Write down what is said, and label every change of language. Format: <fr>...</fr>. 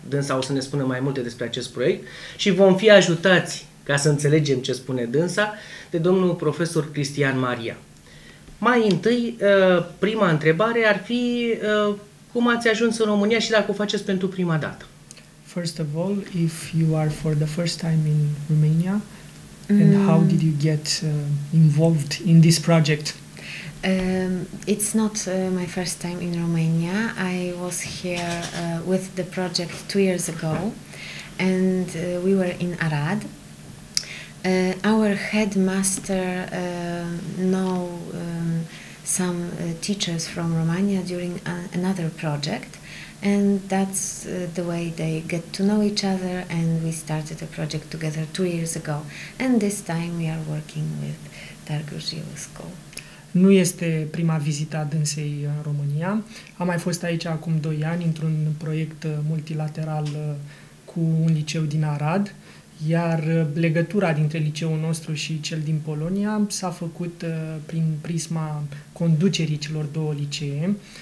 <ro>Dânsa o să ne spună mai multe despre acest proiect și vom fi ajutați, ca să înțelegem ce spune dânsa, de domnul profesor Cristian Maria. Mai întâi, prima întrebare ar fi cum ați ajuns în România și dacă o faceți pentru prima dată.</ro> <en>First of all, if you are for the first time in Romania, and how did you get involved in this project? It's not my first time in Romania. I was here with the project 2 years ago, and we were in Arad. Our headmaster know some teachers from Romania during another project, and that's the way they get to know each other, and we started a project together 2 years ago. And this time we are working with Târgu Jiu School.</en> <ro>Nu este prima vizită a dânsei în România. A mai fost aici acum 2 ani, într-un proiect multilateral cu un liceu din Arad, iar legătura dintre liceul nostru și cel din Polonia s-a făcut prin prisma conducerii celor două licee.</ro>